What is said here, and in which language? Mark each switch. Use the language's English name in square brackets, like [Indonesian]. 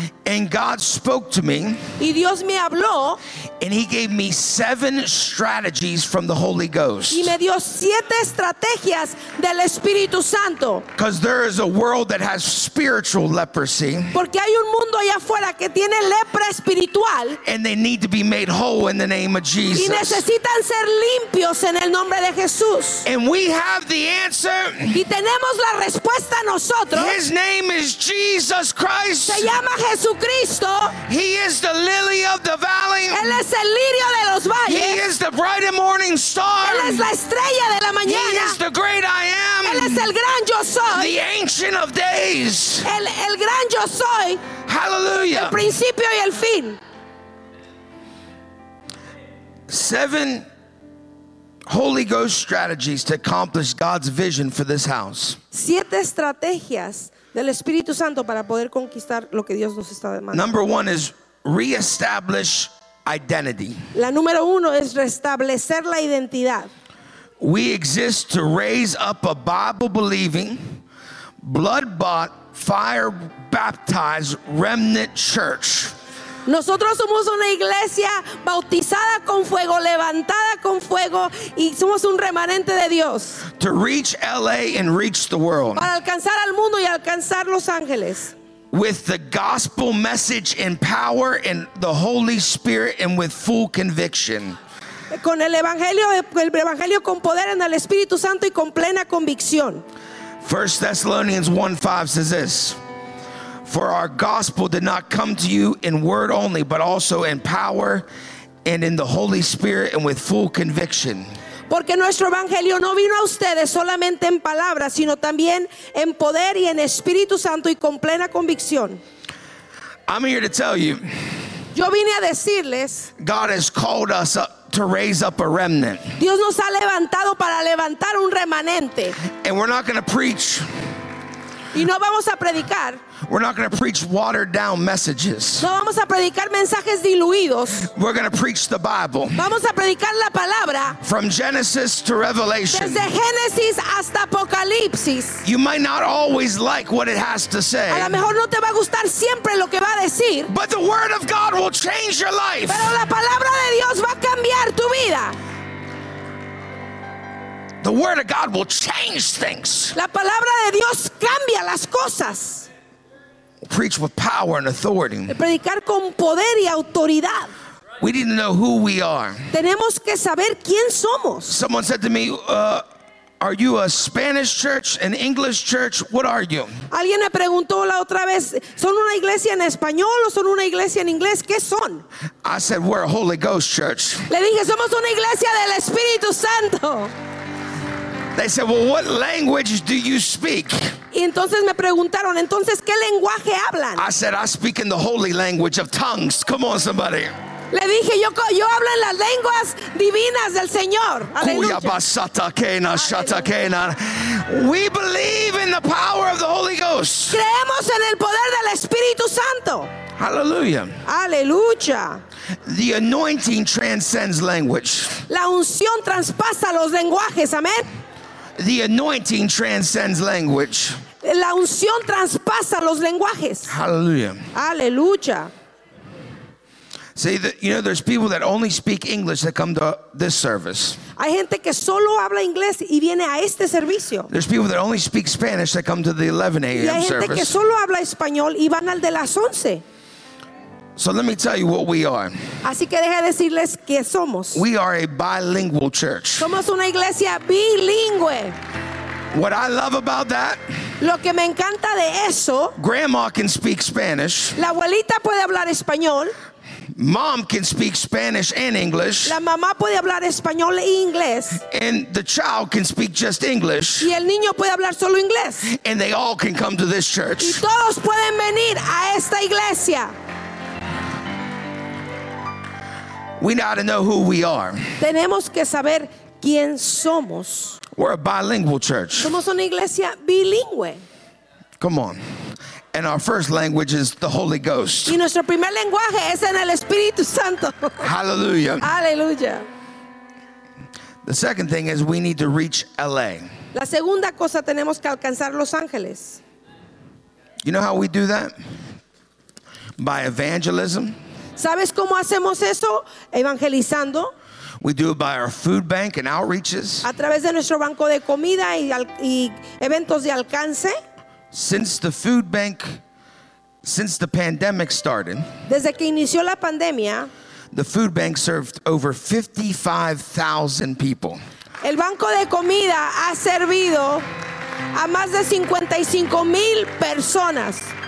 [English] And God spoke to me. [Spanish] Y Dios me habló. [English] And he gave me 7 strategies from the Holy Ghost. [Spanish] Y me dio 7 estrategias del Espíritu Santo. [English] Because there is a world that has spiritual leprosy. [Spanish] Porque hay un mundo allá afuera que tiene lepra espiritual. [English] And they need to be made whole in the name of Jesus. [Spanish] Y necesitan ser limpios en el nombre de Jesús. [English] And we have the answer. [Spanish] Y tenemos la respuesta nosotros. [English] His name is Jesus Christ. [Spanish] Se llama Jesucristo. [English] He is the lily of the valley. [Spanish] Él es el lirio de los valles. [English] He is the bright and morning star. [Spanish] Él es la estrella de la mañana. [English] He is the great I am. [Spanish] Él es el gran yo soy. [English] The ancient of days. [Spanish] El gran yo soy. [English] Hallelujah. [Spanish] El principio y el fin. [English] 7 Holy Ghost strategies to accomplish God's vision for this house. [Spanish] 7 estrategias del Espíritu Santo para poder conquistar lo que Dios nos está demandando. [English] Number one is reestablish identity. [Spanish] La número uno es restablecer la identidad. [English] We exist to raise up a Bible believing, blood bought, fire baptized remnant church. [Spanish] Nosotros somos una iglesia bautizada con fuego, levantada con fuego, y somos un remanente de Dios. [English] To reach LA and reach the world. [Spanish] Para alcanzar al mundo y alcanzar Los Ángeles. [English] With the gospel message in power and the Holy Spirit and with full conviction. [Spanish] Con el evangelio con poder en el Espíritu Santo y con plena convicción. [English] 1 Thessalonians 1:5 says this. For our gospel did not come to you in word only, but also in power and in the Holy Spirit and with full conviction. [Spanish] Porque nuestro evangelio no vino a ustedes solamente en palabras, sino también en poder y en Espíritu Santo y con plena convicción. [English] I'm here to tell you. [Spanish] Yo vine a decirles. [English] God has called us up. To raise up a remnant. [Spanish] Dios nos ha levantado para levantar un remanente. [English] And we're not going to preach. [Spanish] Y no vamos a predicar. [English] We're not going to preach watered down messages. [Spanish] No vamos a predicar mensajes diluidos. [English] We're going to preach the Bible. [Spanish] Vamos a predicar la palabra. [English] From Genesis to Revelation. [Spanish] Desde Génesis hasta Apocalipsis. [English] You might not always like what it has to say. [Spanish] A lo mejor no te va a gustar siempre lo que va a decir. [English] But the word of God will change your life. [Spanish] Pero la palabra de Dios va a cambiar tu vida. [English] The word of God will change things. [Spanish] La palabra de Dios cambia las cosas. [English] Preach with power and authority. [Spanish] Predicar con poder y autoridad. [English] We need to know who we are. [Spanish] Tenemos que saber quién somos. [English] Someone said to me, are you a Spanish church, an English church? What are you? [Spanish] Alguien me preguntó la otra vez, ¿son una iglesia en español o son una iglesia en inglés? ¿Qué son? [English] I said, we're a Holy Ghost church. [Spanish] Le dije, somos una iglesia del Espíritu Santo. [English] They said, well, what language do you speak? [Spanish] Y entonces me preguntaron, entonces, ¿qué lenguaje hablan? [English] I said, I speak in the holy language of tongues. Come on, somebody. [Spanish] Le dije, yo hablo en las lenguas divinas del Señor. Aleluya. Basata kena, shata kena. [English] We believe in the power of the Holy Ghost. [Spanish] Creemos en el poder del Espíritu Santo. [English] Hallelujah. [Spanish] Aleluya. [English] The anointing transcends language. [Spanish] La unción traspasa los lenguajes, amén. [English] The anointing transcends language. [Spanish] La unción traspasa los lenguajes. [English] Hallelujah. [Spanish] Aleluya. [English] See, you know, there's people that only speak English that come to this service. [Spanish] Hay gente que solo habla inglés y viene a este servicio. [English] There's people that only speak Spanish that come to the 11 a.m. service. [Spanish] Y hay gente que solo habla español y van al de las 11. [English] So let me tell you what we are. [Spanish] Así que deje decirles que somos. [English] We are a bilingual church. [Spanish] Somos una iglesia bilingüe. [English] What I love about that. [Spanish] Lo que me encanta de eso. [English] Grandma can speak Spanish. [Spanish] La abuelita puede hablar español. [English] Mom can speak Spanish and English. [Spanish] La mamá puede hablar español e inglés. [English] And the child can speak just English. [Spanish] Y el niño puede hablar solo inglés. [English] And they all can come to this church. [Spanish] Y todos pueden venir a esta iglesia. [English] We gotta know who we are. [Spanish] Tenemos que saber quién somos. [English] We're a bilingual church. [Spanish] Somos una iglesia bilingüe. [English] Come on. And our first language is the Holy Ghost. [Spanish] Y nuestro primer lenguaje es en el Espíritu Santo. [English] Hallelujah. Hallelujah. The second thing is we need to reach LA. [Spanish] La segunda cosa, tenemos que alcanzar Los Ángeles. [English] You know how we do that? By evangelism. [Spanish] ¿Sabes cómo hacemos eso? Evangelizando. [English] We do it by our food bank and outreaches. [Spanish] A través de nuestro banco de comida y eventos de alcance. [English] Since the pandemic started. [Spanish] Desde que inició la pandemia. [English] The food bank served over 55,000 people. [Spanish] El banco de comida ha servido a más de 55,000 personas.